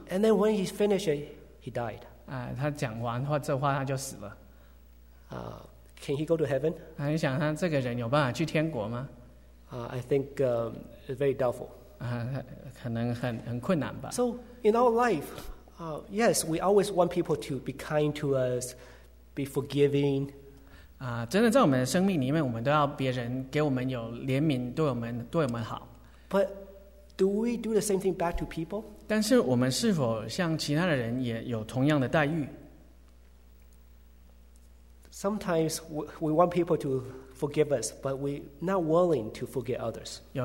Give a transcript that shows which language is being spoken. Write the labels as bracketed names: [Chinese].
[English] And then when he finished it, he died. [Chinese] 他讲完这话他就死了。 [English] Can he go to heaven? [Chinese] 你想他这个人有办法去天国吗？ [English] I think it's very doubtful. [Chinese] 可能很困难吧。 [English] So in our life, yes, we always want people to be kind to us, be forgiving. [Chinese] 真的在我们的生命里面，我们都要别人给我们有怜悯，对我们好。 [English] But do we do the same thing back to people? [Chinese] 但是我们是否像其他的人也有同样的待遇？ [English] Sometimes we want people to forgive us, but we're not willing to forgive others.